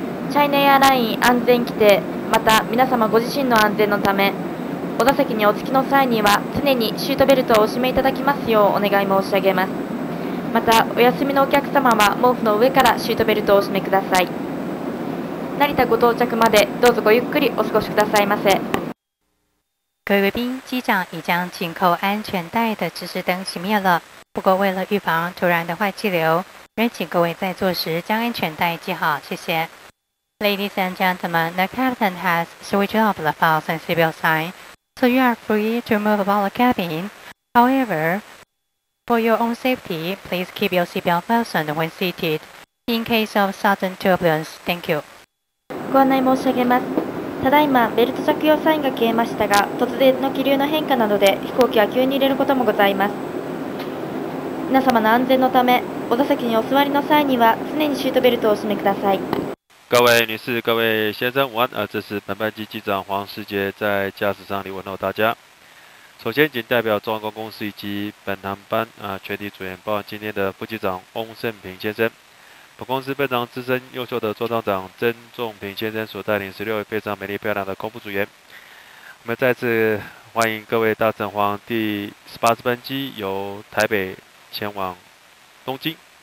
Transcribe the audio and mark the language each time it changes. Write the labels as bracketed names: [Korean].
[Japanese] チャイナエアライン安全規定、また皆様ご自身の安全のため、お座席にお着きの際には常にシートベルトをお締めいただきますようお願い申し上げます。またお休みのお客様は毛布の上からシートベルトをお締めください。成田ご到着までどうぞごゆっくりお過ごしくださいませ。 [Chinese] 各位宾、机长已将紧扣安全带的指示灯熄灭了，不过为了预防突然的坏气流，仍请各位在座时将安全带系好，谢谢。 [English] Ladies and gentlemen, the captain has switched off the fasten seatbelt sign, so you are free to move about the cabin. However, for your own safety, please keep your seatbelt fastened when seated in case of sudden turbulence. Thank you. [Japanese] ご案内申し上げます。ただいまベルト着用サインが消えましたが、突然の気流の変化などで飛行機は急に揺れることもございます。皆様の安全のため、お座席にお座りの際には常にシートベルトをお締めください。 [Chinese] 各位女士、各位先生，午安。这是本班机机长黄世杰在驾驶舱里问候大家。首先，仅代表中华航空公司以及本航班全体组员，包括今天的副机长翁盛平先生。本公司非常资深优秀的座舱长曾仲平先生所带领16位非常美丽漂亮的空服组员，我们再次欢迎各位搭乘黄第18班机由台北前往东京。